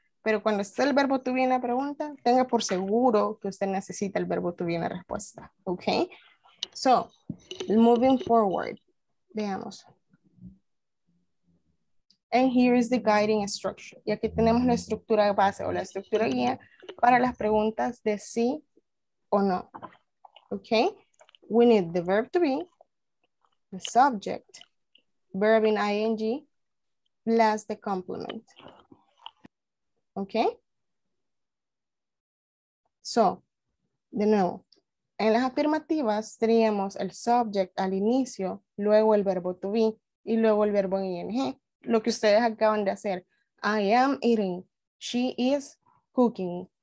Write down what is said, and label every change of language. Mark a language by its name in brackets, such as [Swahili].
[Spanish] Pero cuando esté el verbo to be en la pregunta, tenga por seguro que usted necesita el verbo to be en la respuesta, ¿ok? [English] So, moving forward, [Spanish] veamos. [English] And here is the guiding structure. [Spanish] Y aquí tenemos la estructura base o la estructura guía para las preguntas de sí o no. [English] Okay, we need the verb to be, the subject, verb in ing, plus the complement. Okay? [Spanish] So, de nuevo, en las afirmativas teníamos el subject al inicio, luego el verbo to be y luego el verbo ing. Lo que ustedes acaban de hacer. [English] I am eating. She is cooking.